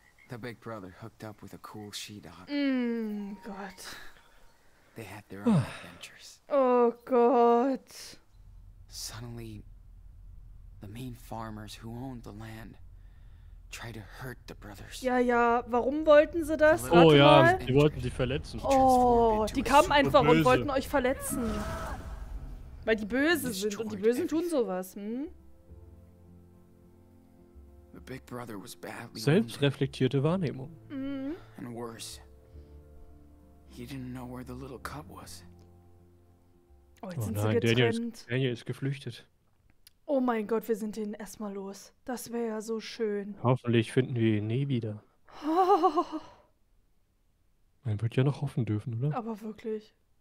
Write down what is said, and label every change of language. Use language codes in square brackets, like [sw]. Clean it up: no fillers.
[en] The big brother hooked up with a cool she-dog. Gott. They had their own adventures. [de] Oh Gott. [en] Suddenly. The main farmers who owned the land try to hurt the brothers. [de] Ja, ja, warum wollten sie das? warte ja, mal. Die wollten sie verletzen. Oh, die kamen einfach böse und wollten euch verletzen. Weil die böse sind und die Bösen tun sowas, hm? [en] The big brother was badly [de] selbstreflektierte Wahrnehmung. [en] And worse. He didn't know where the little cub was. [de] Oh, jetzt sind sie getrennt. Daniel ist geflüchtet. Oh mein Gott, wir sind denen erstmal los. Das wäre ja so schön. Hoffentlich finden wir ihn nie wieder. Man wird ja noch hoffen dürfen, oder? Aber wirklich.